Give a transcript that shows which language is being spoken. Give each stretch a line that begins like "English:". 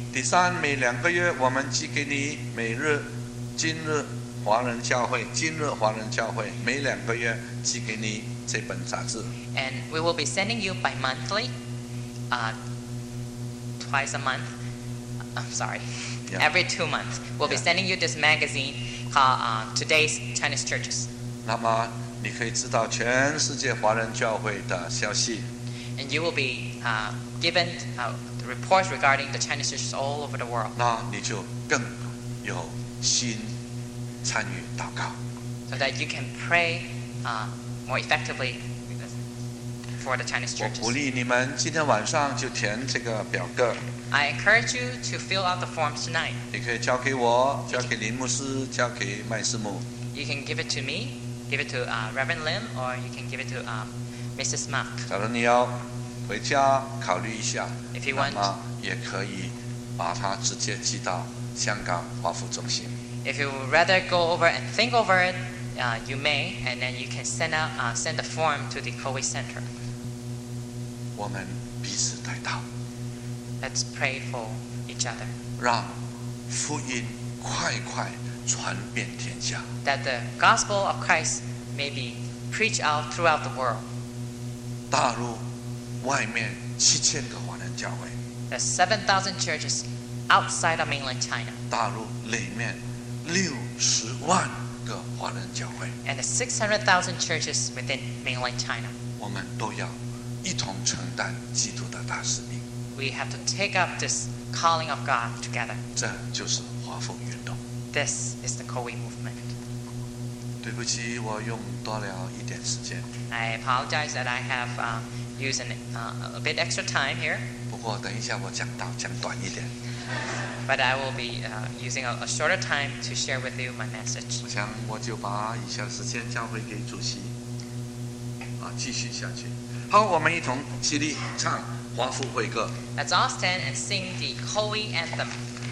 Chinese: 第三，每两个月我们寄给你每日今日华人教会，今日华人教会每两个月寄给你这本杂志。
English: And we will be sending you bi-monthly, twice a month. I'm sorry. Yeah. Every 2 months, we'll be sending you this magazine called Today's Chinese Churches.
Chinese: 那么。你可以知道全世界华人教会的消息。
English: And you will be given the reports regarding the Chinese churches all over the world.
Chinese: 那你就更有心参与祷告。
English: So that you can pray more effectively for the Chinese churches.
Chinese: 我鼓励你们今天晚上就填这个表格。
English: I encourage you to fill out the forms tonight.
Chinese: 你可以交给我，交给林牧师，交给麦师母。
English: You can give it to me. Give it to Reverend Lim, or you can give it to Mrs. Mark.
Chinese: 假如你要回家考虑一下，
English: if you want,
Chinese: 那么也可以把它直接寄到香港华富中心。
English: If you would rather go over and think over it, you may, and then you can send the form to the Kowei Center.
Chinese: 我们彼此代祷。
English: Let's pray for each other.
Chinese: 让福音快快。传遍天下。
English: That the gospel of Christ may be preached out throughout the world.
Chinese: 大陆外面七千个华人教会。
English: There's 7,000 churches outside of mainland China.
Chinese: 大陆里面六十万个华人教会。
English: And the 600,000 churches within mainland China.
Chinese: 我们都要一同承担基督的大使命。
English: We have to take up this calling of God together.
Chinese: 这就是华富运动。
English: This is the Kowei movement.
Chinese: 对不起，我用多了一点时间。
English: I apologize that I have used a bit extra time here.
Chinese: 不过等一下我讲到讲短一点。
English: But I will be using a shorter time to share with you my message.
Chinese: 我想我就把以下时间交回给主席。继续下去。好，我们一同起立唱华富会歌。
English: Let's all stand and sing the Kowei anthem.